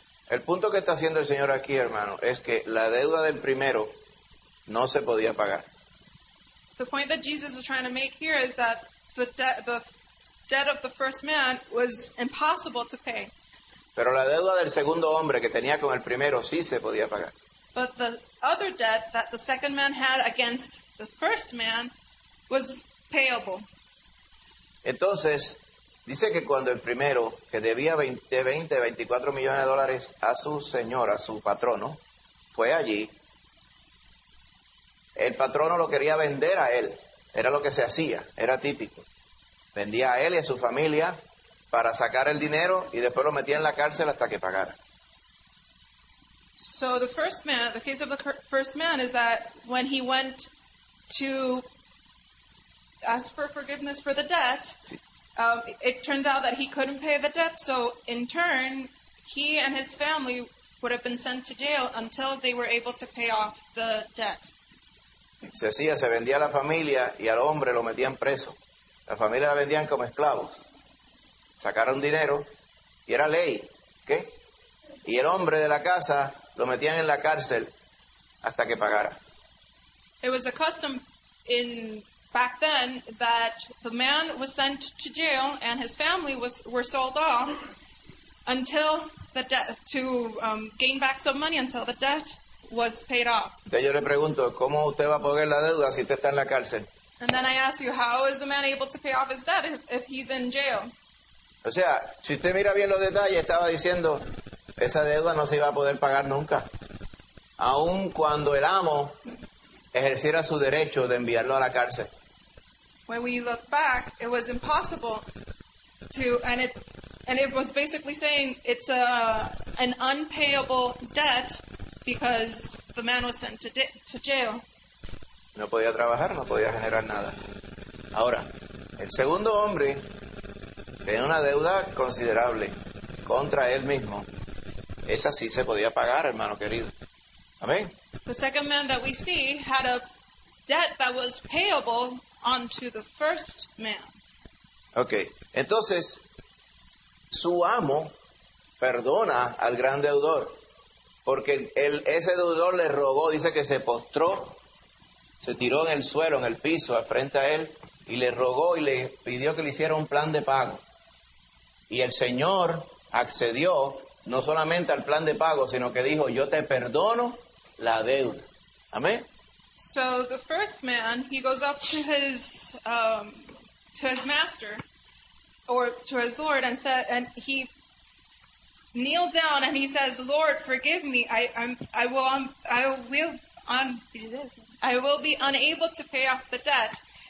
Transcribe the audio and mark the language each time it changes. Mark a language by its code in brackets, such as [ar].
[es] El punto que está haciendo el Señor aquí, hermano, es que la deuda del primero no se podía pagar. [en] The point that Jesus is trying to make here is that the debt of the first man was impossible to pay. [es] Pero la deuda del segundo hombre que tenía con el primero sí se podía pagar. [en] But the other debt that the second man had against the first man was payable. [es] Entonces, dice que cuando el primero, que debía 24 millones de dólares a su señor, a su patrono, fue allí, el patrono lo quería vender a él. Era lo que se hacía, era típico. Vendía a él y a su familia para sacar el dinero y después lo metía en la cárcel hasta que pagara. [en] So the first man, the case of the first man is that when he went to ask for forgiveness for the debt, [es] sí. [en] It turned out that he couldn't pay the debt, so in turn, he and his family would have been sent to jail until they were able to pay off the debt. [es] Se hacía, se vendía a la familia y al hombre lo metían preso. La familia la vendían como esclavos. Sacaron dinero y era ley, ¿qué? Y el hombre de la casa lo metían en la cárcel hasta que pagara. [en] It was a custom in back then that the man was sent to jail and his family were sold off until the debt to gain back some money until the debt was paid off. [es] Entonces yo le pregunto, ¿cómo usted va a pagar la deuda si usted está en la cárcel? [en] And then I ask you, how is the man able to pay off his debt if he's in jail? [es] O sea, si usted mira bien los detalles, estaba diciendo, esa deuda no se iba a poder pagar nunca. Aun cuando el amo ejerciera su derecho de enviarlo a la cárcel. [en] When we look back, it was impossible to, and it was basically saying it's an unpayable debt because the man was sent to jail. [es] No podía trabajar, no podía generar nada. Ahora, el segundo hombre tenía una deuda considerable contra él mismo. Esa sí se podía pagar, hermano querido. Amén. [en] The second man that we see had a debt that was payable onto the first man. [es] Okay, entonces, su amo perdona al gran deudor, porque ese deudor le rogó, dice que se postró, se tiró en el suelo, en el piso, frente a él, y le rogó y le pidió que le hiciera un plan de pago. Y el Señor accedió, no solamente al plan de pago, sino que dijo, yo te perdono la deuda. Amén. [en] So the first man, he goes up to his master or to his lord and said, and he kneels down and he says, Lord, forgive me. I will be unable to pay off the debt.